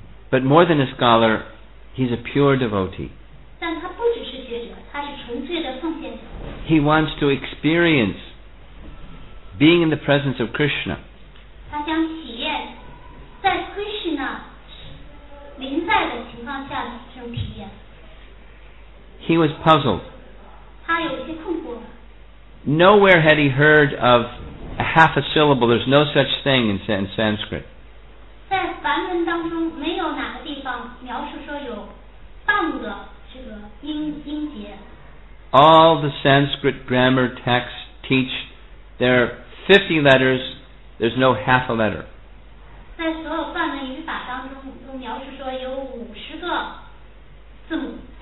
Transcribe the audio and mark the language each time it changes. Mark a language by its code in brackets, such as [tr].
[en] But more than a scholar, he's a pure devotee. [zh] 但他不只是学者，他是纯粹的奉献者。 [en] He wants to experience being in the presence of Krishna. [zh] 他想体验在 Krishna 临在的情况下的这种体验。 [en] He was puzzled. [zh] 他有些困惑。 [en] Nowhere had he heard of a half a syllable. There's no such thing in Sanskrit. [zh] 在梵文当中，没有哪个地方描述说有半个这个音节。 [en] All the Sanskrit grammar texts teach there are 50 letters. There's no half a letter. [zh] 在所有梵文语法当中，都描述说有50个字母。